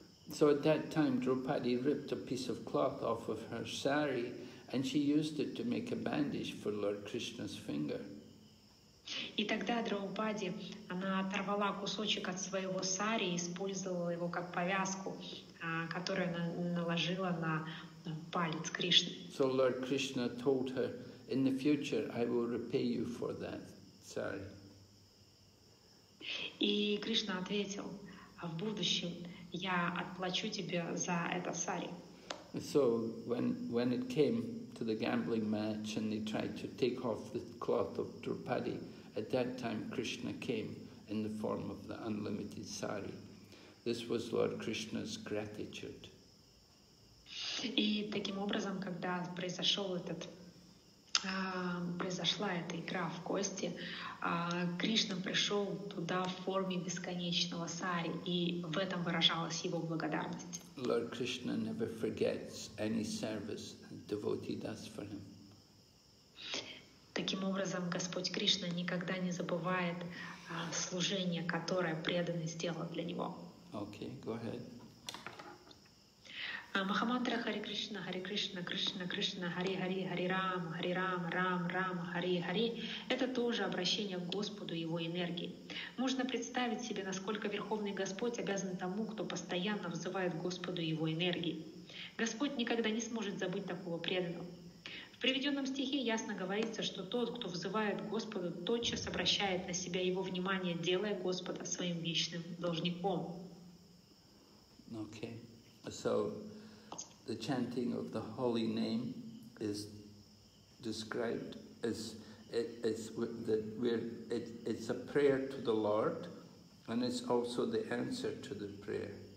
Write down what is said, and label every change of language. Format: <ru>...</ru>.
<en>So at that time, Draupadi ripped a piece of cloth off of her sari, and she used it to make a bandage for Lord Krishna's finger.</en> <ru>И тогда Драупади, она оторвала кусочек от своего сари и использовала его как повязку, которую она наложила на палец Кришны.</ru> <en>So Lord Krishna told her, in the future I will repay you for that sari.</en> <ru>И Кришна ответил, в будущем я отплачу тебе за это сари.</ru> <en>So when it came to the gambling match and they tried to take off the cloth of Draupadi, at that time, Krishna came in the form of the unlimited sari. This was Lord Krishna's gratitude.</en> <ru>И таким образом, когда произошел этот произошла эта игра в кости, Кришна пришел туда в форме бесконечного сари, и в этом выражалась его благодарность.</ru> <en>Lord Krishna never forgets any service a devotee does for him.</en> <ru>Таким образом, Господь Кришна никогда не забывает служение, которое преданный сделал для Него.</ru> <en>Okay, go ahead.</en> <ru>Махамантра Хари Кришна, Хари Кришна, Кришна Кришна, Хари Хари, Хари Рам, Хари Рам, Рам Рам, Хари Хари — это тоже обращение к Господу и Его энергии. Можно представить себе, насколько Верховный Господь обязан тому, кто постоянно взывает Господу и Его энергии. Господь никогда не сможет забыть такого преданного. В приведенном стихе ясно говорится, что тот, кто взывает Господа, тотчас обращает на себя его внимание, делая Господа своим вечным должником.</ru> <en>Okay, so the chanting of the holy name is described as It's a prayer to the Lord, and it's also the answer to the prayer.</en>